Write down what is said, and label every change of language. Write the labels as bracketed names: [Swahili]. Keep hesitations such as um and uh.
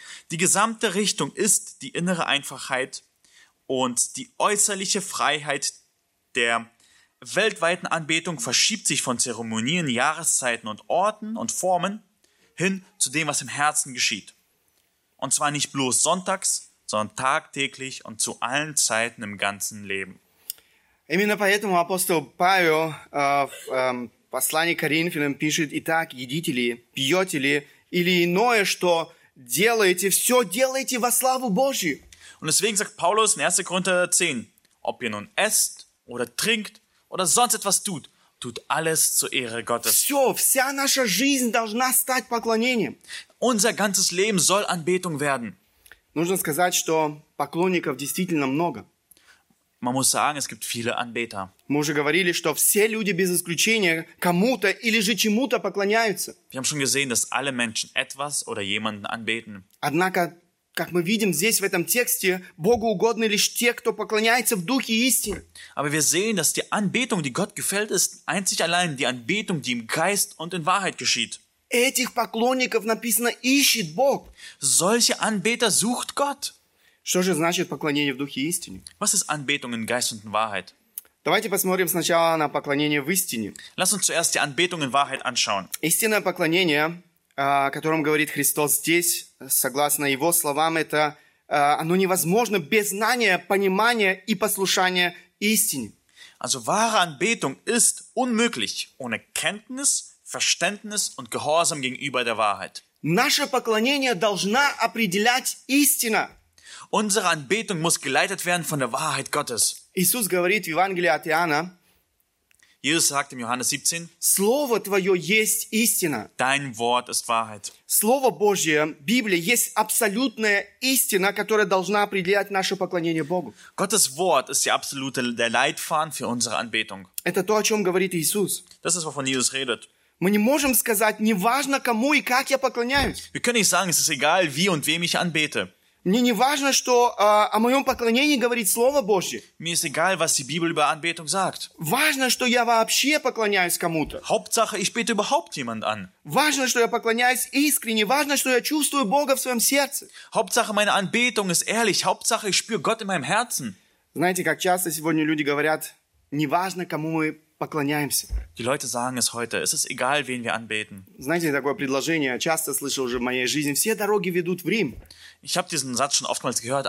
[German] Die gesamte Richtung ist die innere Einfachheit und die äußerliche Freiheit der weltweiten Anbetung verschiebt sich von Zeremonien, Jahreszeiten und Orten und Formen hin zu dem, was im Herzen geschieht. Und zwar nicht bloß sonntags, sondern tagtäglich und zu allen Zeiten im ganzen Leben. [Russian] Именно поэтому апостол Павел в послании к Коринфянам пишет, «Итак, едите ли, пьете ли, или иное, что делаете, все делайте во славу Божью». [German] Und deswegen sagt Paulus in 1. Korinther 10, «Ob ihr nun esst oder trinkt oder sonst etwas tut, tut alles zur Ehre Gottes. [Russian] Все, вся наша жизнь должна стать поклонением. [German] Unser ganzes Leben soll Anbetung werden. [Russian] Нужно сказать, что поклонников действительно много. [German] Man muss sagen, es gibt viele Anbeter. [Russian] Мы уже говорили, что все люди без исключения кому-то или же чему-то поклоняются. [German] Wir haben schon gesehen, dass alle Menschen etwas oder jemanden anbeten. [Russian] Однако как мы видим здесь в этом тексте, Богу угодны лишь те, кто поклоняется в духе истины. [German] Aber wir sehen, dass die Anbetung, die Gott gefällt, ist einzig allein die Anbetung, die im Geist und in Wahrheit geschieht. [Russian] Этих поклонников написано ищет Бог. [German] Solche Anbeter sucht Gott. [Russian] Что же значит поклонение в духе истины? [German] Was ist Anbetung in Geist und in Wahrheit? [Russian] Давайте посмотрим сначала на поклонение в истине. [German] Lass uns zuerst die Anbetung in Wahrheit anschauen. [Russian] Истинное поклонение о uh, котором говорит Христос здесь, согласно его словам, это uh, оно невозможно без знания, понимания и послушания истине. [German] Also wahre Anbetung ist unmöglich ohne Kenntnis, Verständnis und Gehorsam gegenüber der Wahrheit. [Russian] Наше поклонение должна определять истина. [German] Unsere Anbetung muss geleitet werden von der Wahrheit Gottes. [Russian] Иисус говорит в Евангелии от Иоанна, [German] Jesus sagt in Johannes 17, [Russian] Слово Твое есть истина. [German] Dein Wort ist Wahrheit. [Russian] Слово Божье, Библия, есть абсолютная истина, которая должна определять наше поклонение Богу. [German] Gottes Wort ist die absolute, der Leitfaden für unsere Anbetung. [Russian] Это то, о чем говорит Иисус. [German] Das ist, wovon Jesus redet. [Russian] Мы не можем сказать, неважно, кому и как я поклоняюсь. [German] Wir können nicht sagen, es ist egal, wie und wem ich anbete. [Russian] Мне не важно, что а, uh, о моем поклонении говорит Слово Божье. Мне не важно, что Библия о [German] anbetung sagt. [Russian] Важно, что я вообще поклоняюсь кому-то. [German] Hauptsache, ich bete überhaupt jemand an. [Russian] Важно, что я поклоняюсь искренне. Важно, что я чувствую Бога в своем сердце. [German] Hauptsache, meine Anbetung ist ehrlich. Hauptsache, ich spüre Gott in meinem Herzen. [Russian] Знаете, как часто сегодня люди говорят, неважно, кому мы [German] Die Leute sagen es heute. Es ist egal, wen wir anbeten. [Russian] Знаете, такое предложение я часто слышал уже в моей жизни. Все дороги ведут в [German] Ich habe diesen Satz schon oftmals gehört.